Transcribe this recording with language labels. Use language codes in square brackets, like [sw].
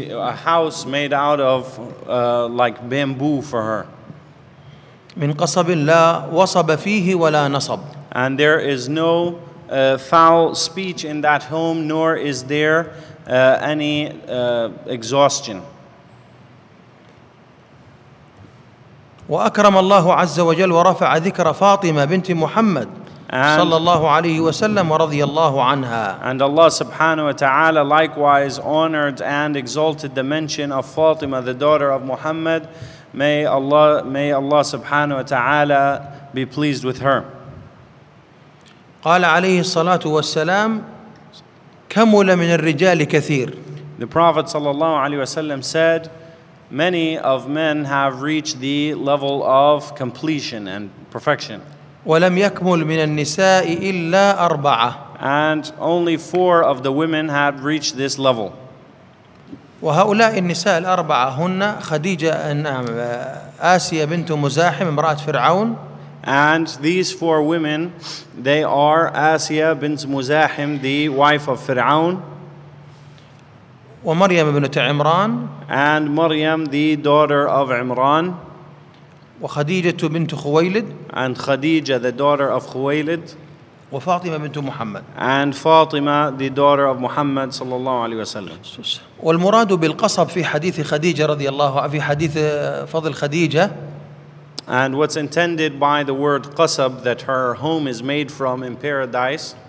[en] A house made out of like bamboo for her. [ar] من قصب لا وصب فيه ولا نصب. [en] And there is no foul speech in that home, nor is there any exhaustion. [ar] وأكرم الله عز وجل ورفع ذكر فاطمة بنت محمد صلى الله عليه وسلم ورضي الله عنها. [en] And Allah subhanahu wa ta'ala likewise honored and exalted the mention of Fatima, the daughter of Muhammad. May Allah subhanahu wa ta'ala be pleased with her. [ar] قال عليه الصلاة والسلام كمل من الرجال كثير. [en] The Prophet sallallahu alaihi wasallam said, many of men have reached the level of completion and perfection. [ar] ولم يكمل من النساء إلا أربعة. [en] And only four of the women had reached this level. [ar] وهؤلاء النساء الأربعة هن خديجة آسيا بنت مزاحم امرأة فرعون. [en] And these four women, they are Asiya bint Muzahim, the wife of Fir'aun. [ar] ومريم بنت عمران. [en] And Maryam, the daughter of Imran. [ar] وخديجة بنت خويلد. [en] And Khadija, the daughter of Khuwaylid. [ar] وفاطمة بنت محمد. [en] And Fatima, the daughter of Muhammad [ar] صلى الله عليه وسلم. والمراد بالقصب في حديث خديجة رضي الله عنها في حديث فضل خديجة. [en] And what's intended by the word qasab, that her home is made from in paradise.